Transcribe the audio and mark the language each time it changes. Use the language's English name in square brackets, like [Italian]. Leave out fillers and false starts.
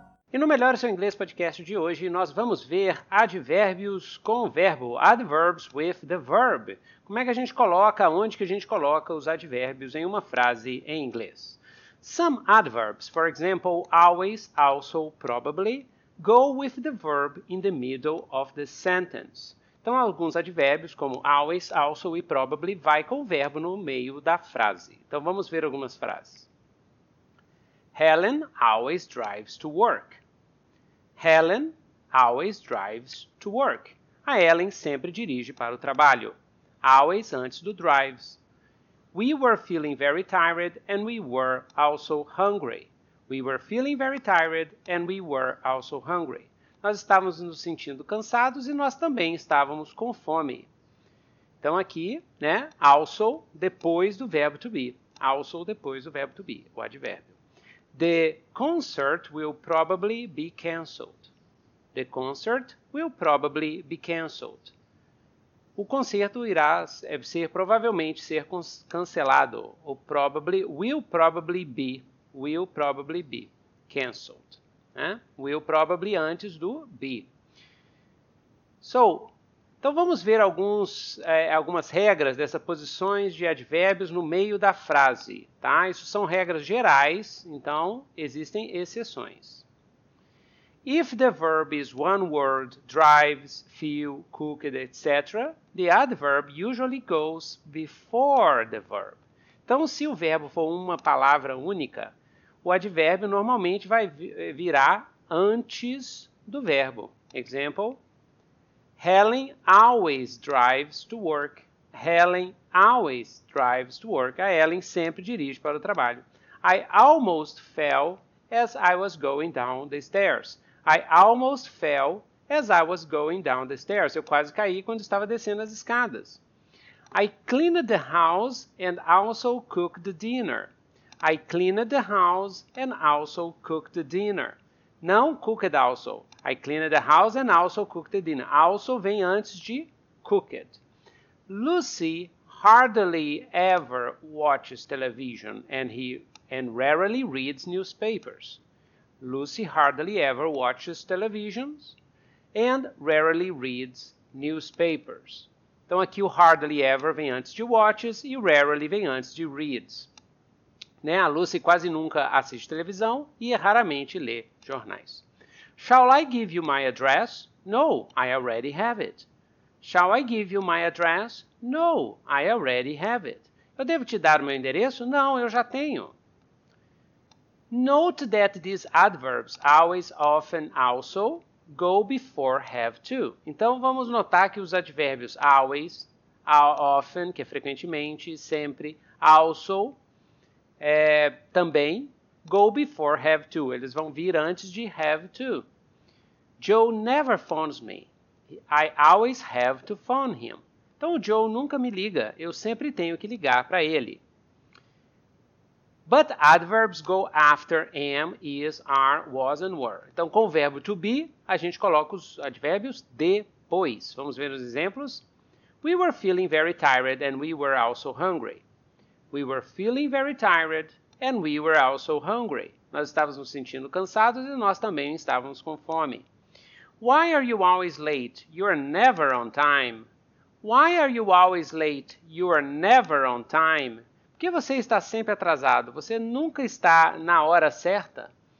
[Portuguese] E no Melhore Seu Inglês podcast de hoje, nós vamos ver advérbios com o verbo, [English] adverbs with the verb. [Portuguese] Como é que a gente coloca, onde que a gente coloca os advérbios em uma frase em inglês? [English] Some adverbs, for example, always, also, probably, go with the verb in the middle of the sentence. [Portuguese] Então, alguns advérbios, como always, also e probably, vai com o verbo no meio da frase. Então, vamos ver algumas frases. [English] Helen always drives to work. Helen always drives to work. [Portuguese] A Helen sempre dirige para o trabalho. Always antes do drives. [English] We were feeling very tired and we were also hungry. We were feeling very tired and we were also hungry. [Portuguese] Nós estávamos nos sentindo cansados e nós também estávamos com fome. Então aqui, né, also depois do verbo to be. Also depois do verbo to be, o advérbio. [English] The concert will probably be cancelled. The concert will probably be cancelled. [Portuguese] O concerto irá ser provavelmente ser cancelado. [English] O probably will probably be. Will probably be cancelled. [Portuguese] Né? Will probably antes do be. So, então vamos ver algumas regras dessas posições de advérbios no meio da frase. Tá? Isso são regras gerais, então existem exceções. [English] If the verb is one word, drives, feel, cooked, etc., the adverb usually goes before the verb. [Portuguese] Então, se o verbo for uma palavra única, o advérbio normalmente vai virar antes do verbo. [English] Example, Helen always drives to work. Helen always drives to work. [Portuguese] A Helen sempre dirige para o trabalho. [English] I almost fell as I was going down the stairs. I almost fell as I was going down the stairs. [Portuguese] Eu quase caí quando estava descendo as escadas. [English] I cleaned the house and also cooked dinner. I cleaned the house and also cooked dinner. Não cooked also. I cleaned the house and also cooked dinner. [Portuguese] Also vem antes de cooked. [English] Lucy hardly ever watches television and rarely reads newspapers. Lucy hardly ever watches televisions and rarely reads newspapers. [Portuguese] Então aqui o hardly ever vem antes de watches e o rarely vem antes de reads. Né? A Lucy quase nunca assiste televisão e raramente lê jornais. [English] Shall I give you my address? No, I already have it. Shall I give you my address? No, I already have it. [Portuguese] Eu devo te dar o meu endereço? Não, eu já tenho. [English] Note that these adverbs, always, often, also, go before have to. [Portuguese] Então, vamos notar que os advérbios always, often, que é frequentemente, sempre, also, também, [English] go before have to. [Portuguese] Eles vão vir antes de have to. [English] Joe never phones me. I always have to phone him. [Portuguese] Então, o Joe nunca me liga. Eu sempre tenho que ligar para ele. [English] But adverbs go after am, is, are, was, and were. [Portuguese] Então, com o verbo to be, a gente coloca os advérbios depois. Vamos ver os exemplos? [English] We were feeling very tired and we were also hungry. We were feeling very tired and we were also hungry. [Portuguese] Nós estávamos nos sentindo cansados e nós também estávamos com fome. [English] Why are you always late? You are never on time. Why are you always late? You are never on time. [Portuguese] Por que você está sempre atrasado? Você nunca está na hora certa?